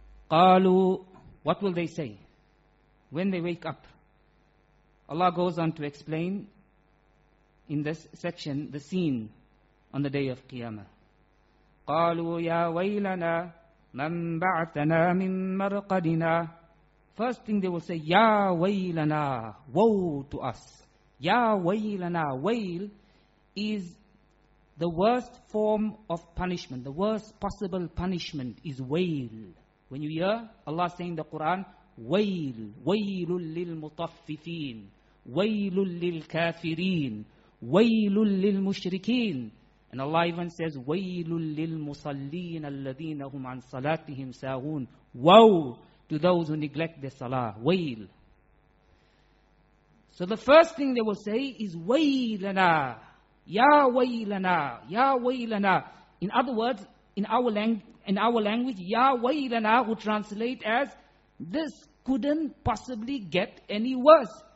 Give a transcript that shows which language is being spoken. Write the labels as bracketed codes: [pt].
[en] Qalu, what will they say when they wake up? Allah goes on to explain in this section the scene on the day of Qiyamah. [ar] قالوا يا ويلنا من بعثنا من مرقدنا. [en] First thing they will say, [ar] يا ويلنا, [en] woe to us. [ar] يا ويلنا, [en] wail is the worst form of punishment. The worst possible punishment is wail. When you hear Allah saying the Quran, wail, wail للمطففين, wail للكافرين, wail للمشركين. And Allah even says, [ar] وَيْلٌ لِلْمُصَلِّينَ الَّذِينَ هُمْ عَنْ صَلَاتِهِمْ سَاهُونَ. [en] Woe to those who neglect their salah. Wail. So the first thing they will say is, وَيْلَنَا. [ar] يَا وَيْلَنَا. يَا وَيْلَنَا. [en] In other words, in our language, [ar] يَا وَيْلَنَا [en] would translate as, this couldn't possibly get any worse.